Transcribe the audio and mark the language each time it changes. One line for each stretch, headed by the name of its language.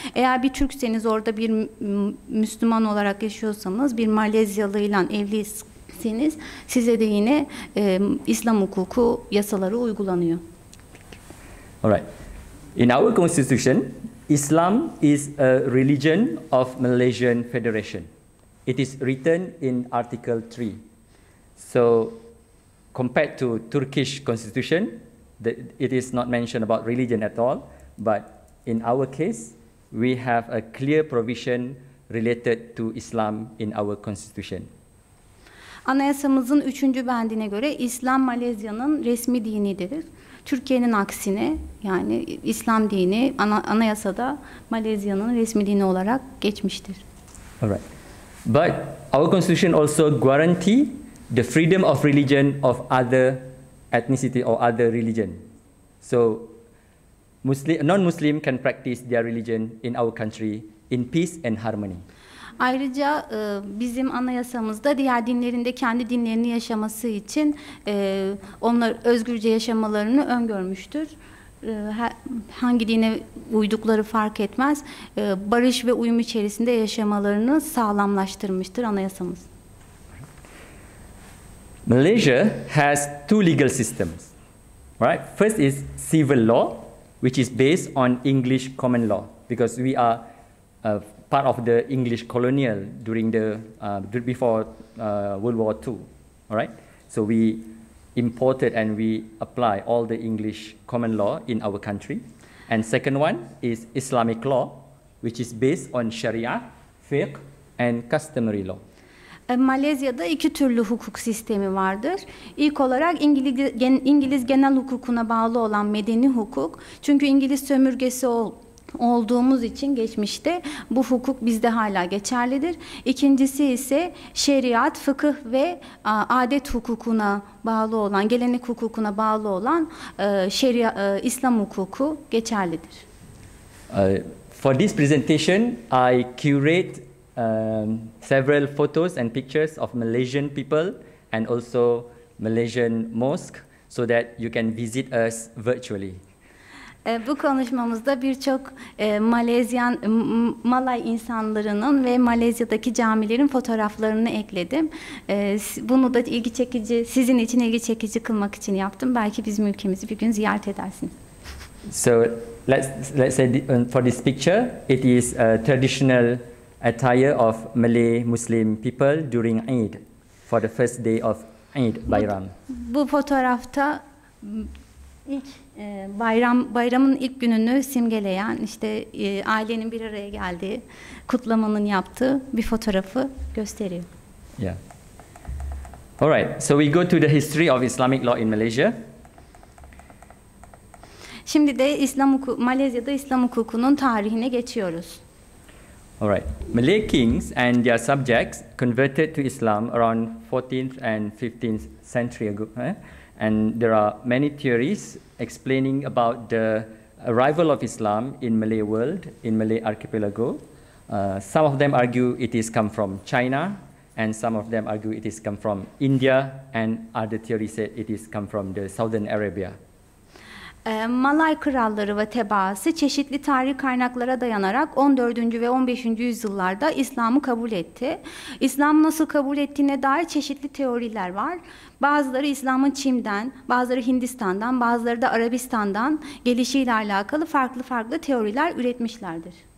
Turkish: Eğer bir Türkseniz, orada bir Müslüman olarak yaşıyorsanız, bir Malezyalı ile evliyseniz, size de yine İslam hukuku yasaları uygulanıyor.
English: Alright. In our constitution, Islam is a religion of Malaysian Federation. It is written in Article 3. So, compared to Turkish constitution, it is not mentioned about religion at all, but in our case, we have a clear provision related to Islam in our constitution.
Turkish: Anayasamızın üçüncü bendine göre İslam Malezya'nın resmi dinidir. Türkiye'nin aksine, yani İslam dini anayasada Malezya'nın resmi dini olarak geçmiştir.
English: All right. But our constitution also guarantee the freedom of religion of other ethnicity or other religion. So Muslim, non-Muslim can practice their religion in our country in peace and harmony.
Turkish: Ayrıca bizim anayasamızda diğer dinlerin de kendi dinlerini yaşaması için onlar özgürce yaşamalarını öngörmüştür. Hangi dine uydukları fark etmez. Barış ve uyum içerisinde yaşamalarını sağlamlaştırmıştır anayasamız.
English: Malaysia has two legal systems, right? First is civil law, which is based on English common law, because we are part of the English colonial during the before World War II, all right? So we imported and we apply all the English common law in our country. And second one is Islamic law, which is based on Sharia, fiqh, and customary law.
Turkish: Malezya'da iki türlü hukuk sistemi vardır. İlk olarak İngiliz genel hukukuna bağlı olan medeni hukuk. Çünkü İngiliz sömürgesi olduğumuz için geçmişte bu hukuk bizde hala geçerlidir. İkincisi ise şeriat, fıkıh ve adet hukukuna bağlı olan, gelenek hukukuna bağlı olan İslam hukuku geçerlidir.
English: For this presentation, I curate several photos and pictures of Malaysian people and also Malaysian mosque so that you can visit us virtually.
Turkish: Bu konuşmamızda birçok Malezyan, Malay insanlarının ve Malezya'daki camilerin fotoğraflarını ekledim. Bunu da ilgi çekici, sizin için ilgi çekici kılmak için yaptım. Belki bizim ülkemizi bir gün ziyaret edersiniz.
English: So let's say for this picture, it is a traditional attire of Malay Muslim people during Eid, for the first day of Eid Bayram.
Turkish: Bu fotoğrafta ilk bayramın ilk gününü simgeleyen işte ailenin bir araya geldiği kutlamanın yaptığı bir fotoğrafı gösteriyor.
English: Yeah. All right. So we go to the history of Islamic law in Malaysia.
Turkish: Şimdi de Malezya'da İslam hukukunun tarihine geçiyoruz.
English: All right. Malay kings and their subjects converted to Islam around 14th and 15th century ago. And there are many theories explaining about the arrival of Islam in Malay world, in Malay archipelago. Some of them argue it is come from China, and some of them argue it is come from India, and other theories say it is come from the Southern Arabia.
Turkish: Malay kralları ve tebaası çeşitli tarih kaynaklara dayanarak 14. ve 15. yüzyıllarda İslam'ı kabul etti. İslam'ı nasıl kabul ettiğine dair çeşitli teoriler var. Bazıları İslam'ın Çin'den, bazıları Hindistan'dan, bazıları da Arabistan'dan gelişiyle alakalı farklı farklı teoriler üretmişlerdir.